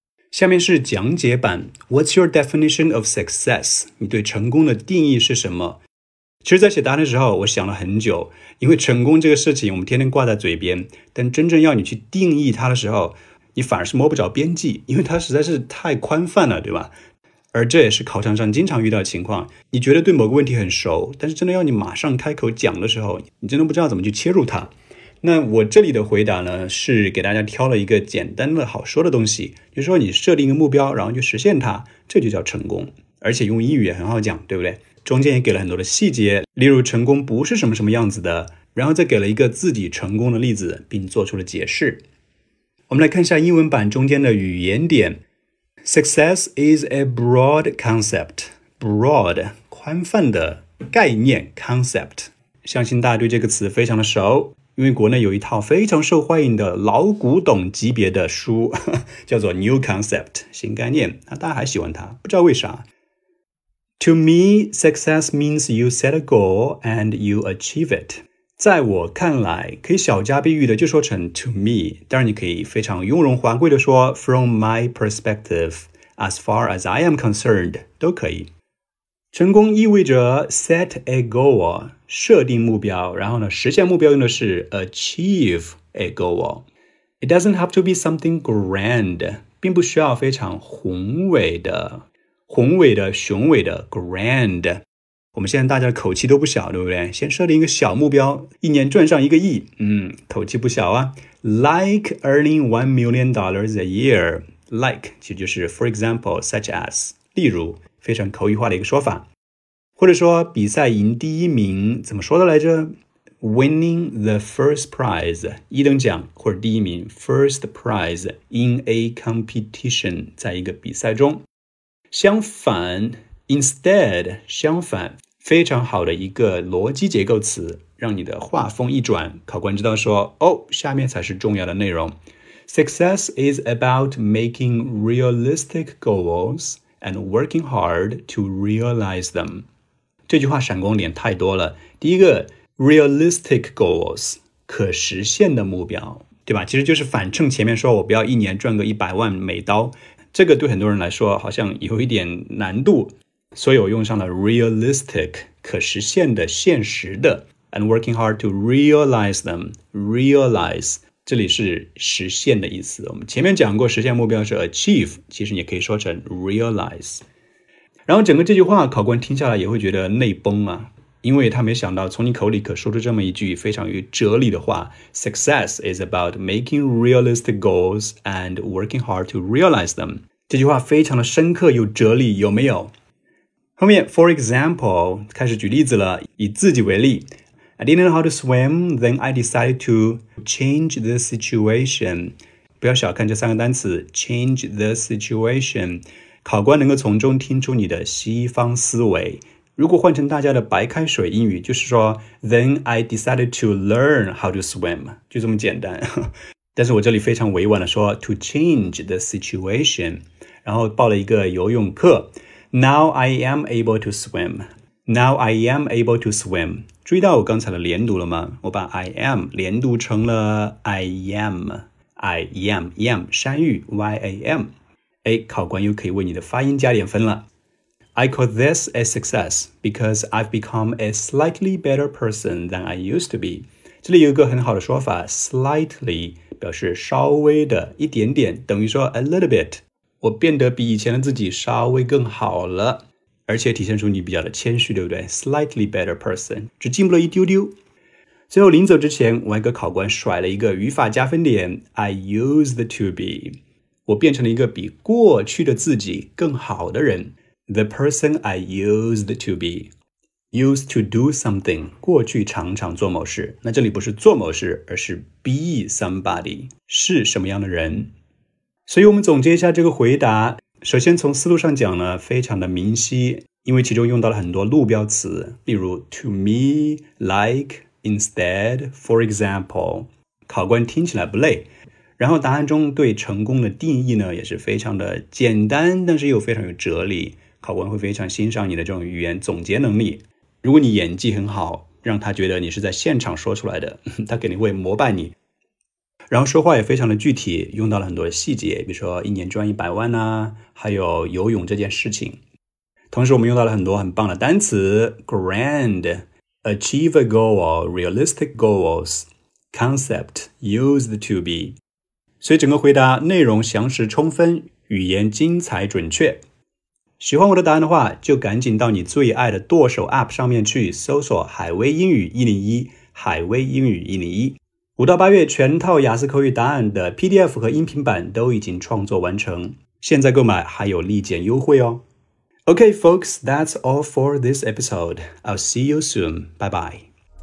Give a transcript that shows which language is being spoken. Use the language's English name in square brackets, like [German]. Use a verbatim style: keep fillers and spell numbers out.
[Chinese] 下面是讲解版 [English] What's your definition of success? [Chinese] 你对成功的定义是什么？其实在写答案的时候我想了很久，因为成功这个事情我们天天挂在嘴边，但真正要你去定义它的时候，你反而是摸不着边际，因为它实在是太宽泛了，对吧？而这也是考场上经常遇到的情况，你觉得对某个问题很熟，但是真的要你马上开口讲的时候，你真的不知道怎么去切入它。那我这里的回答呢，是给大家挑了一个简单的好说的东西，就是说你设定一个目标，然后去实现它，这就叫成功。而且用英语也很好讲，对不对？中间也给了很多的细节，例如成功不是什么什么样子的，然后再给了一个自己成功的例子，并做出了解释。我们来看一下英文版中间的语言点。 [English] Success is a broad concept. [Chinese] Broad, 宽泛的概念 concept。相信大家对这个词非常的熟，因为国内有一套非常受欢迎的老古董级别的书，叫做 New Concept 新概念，大家还喜欢它，不知道为啥。 [English] To me, success means you set a goal and you achieve it. [Chinese] 在我看来，可以小家碧玉的就说成 [English] to me， [Chinese] 当然你可以非常雍容华贵的说 [English] from my perspective, as far as I am concerned [Chinese] 都可以。成功意味着 [English] set a goal [Chinese] 设定目标，然后呢，实现目标用的是 [English] achieve a goal。 It doesn't have to be something grand， [Chinese] 并不需要非常宏伟的宏伟的雄伟的 [English] grand。 [Chinese] 我们现在大家的口气都不小，对不对？先设定一个小目标，一年赚上一个亿，嗯，口气不小啊。 [English] Like earning one million dollars a year， like [Chinese] 其实就是 [English] for example such as [Chinese] 例如，非常口语化的一个说法。或者说比赛赢第一名怎么说的来着？ [English] Winning the first prize， [Chinese] 一等奖或者第一名 [English] first prize in a competition， [Chinese] 在一个比赛中。相反 instead， 相反，非常好的一个逻辑结构词，让你的话锋一转，考官知道说哦，下面才是重要的内容。 [English] Success is about making realistic goals and working hard to realize them。 [Chinese] 这句话闪光点太多了。第一个 [English] realistic goals， [Chinese] 可实现的目标，对吧？其实就是反衬前面说我不要一年赚个一百万美刀，这个对很多人来说好像有一点难度，所以我用上了 realistic， 可实现的、现实的， [English] and working hard to realize them。 [Chinese] realize 这里是实现的意思，我们前面讲过实现目标是 achieve， 其实也可以说成 realize。然后整个这句话考官听下来也会觉得内崩啊，因为他没想到从你口里可说出这么一句非常有哲理的话。 [English] Success is about making realistic goals and working hard to realize them， [Chinese] 这句话非常的深刻有哲理，有没有？后面 for example 开始举例子了，以自己为例。 [English] I didn't know how to swim, then I decided to change the situation. [Chinese] 不要小看这三个单词 [English] change the situation， [Chinese] 考官能够从中听出你的西方思维。如果换成大家的白开水英语，就是说 [English] then I decided to learn how to swim， [Chinese] 就这么简单。但是我这里非常委婉的说 [English] to change the situation， [Chinese] 然后报了一个游泳课。 [English] Now I am able to swim， Now I am able to swim， [Chinese] 注意到我刚才的连读了吗？我把 I am 连读成了 I am， I am am 山芋 Y A M。哎，考官又可以为你的发音加点分了。 [English] I call this a success because I've become a slightly better person than I used to be。 [Chinese] 这里有一个很好的说法 slightly 表示稍微的，一点点，等于说 [English] a little bit， [Chinese] 我变得比以前的自己稍微更好了，而且体现出你比较的谦虚，对不对？ [English] Slightly better person， [Chinese] 只进步了一丢丢。最后临走之前，我还给考官甩了一个语法加分点 [English] I used to be， [Chinese] 我变成了一个比过去的自己更好的人。 [English] The person I used to be， used to do something， [Chinese] 过去常常做某事，那这里不是做某事，而是 [English] be somebody， [Chinese] 是什么样的人。所以我们总结一下这个回答，首先从思路上讲呢，非常的明晰，因为其中用到了很多路标词，例如 [English] to me, like, instead, for example， [Chinese] 考官听起来不累。然后答案中对成功的定义呢，也是非常的简单，但是又非常有哲理，考官会非常欣赏你的这种语言总结能力。如果你演技很好，让他觉得你是在现场说出来的，他肯定会膜拜你。然后说话也非常的具体，用到了很多细节，比如说一年赚一百万啊，还有游泳这件事情。同时我们用到了很多很棒的单词 [English] grand, achieve a goal, realistic goals, concept, used to be。 [Chinese] 所以整个回答内容详实充分，语言精彩准确。喜欢我的答案的话，就赶紧到你最爱的剁手 App 上面去搜索海威英语一零一，海威英语一零一。五到八月全套雅思口语答案的 P D F 和音频版都已经创作完成，现在购买还有立减优惠哦。 [English] Okay folks, that's all for this episode. I'll see you soon. Bye bye.